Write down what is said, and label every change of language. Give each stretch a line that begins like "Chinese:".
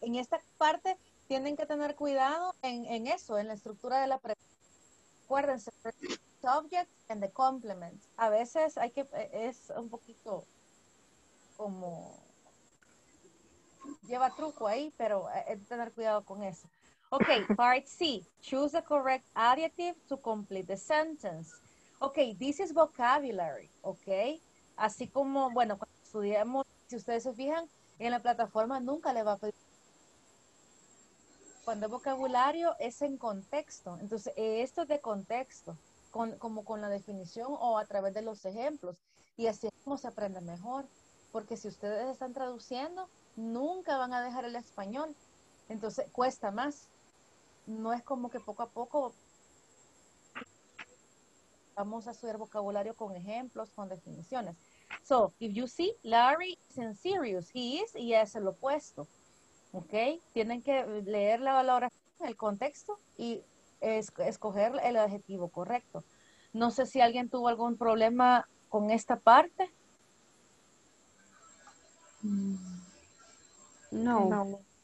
Spanish: En esta parte tienen que tener cuidado en eso, en la estructura de la pregunta. Acuérdense,
English: subject and the complement.
Spanish: A veces hay que, es un poquito como, lleva truco ahí, pero hay que tener cuidado con eso.
English: Ok, part C. Choose the correct adjective to complete the sentence. Ok, this is vocabulary, ok.
Spanish: Así como, bueno, cuando estudiamos, si ustedes se fijan, en la plataforma nunca le va a pedir. Cuando el vocabulario es en contexto. Entonces, esto es de contexto, con, como con la definición o a través de los ejemplos. Y así es como se aprende mejor. Porque si ustedes están traduciendo, nunca van a dejar el español. Entonces, cuesta más. No es como que poco a poco vamos a subir vocabulario con ejemplos, con definiciones.
English: So, if you see, Larry is in serious. He is,
Spanish: y es el opuesto. ¿Ok? Tienen que leer la oración, el contexto, y escoger el adjetivo correcto. No sé si alguien tuvo algún problema con esta parte. No.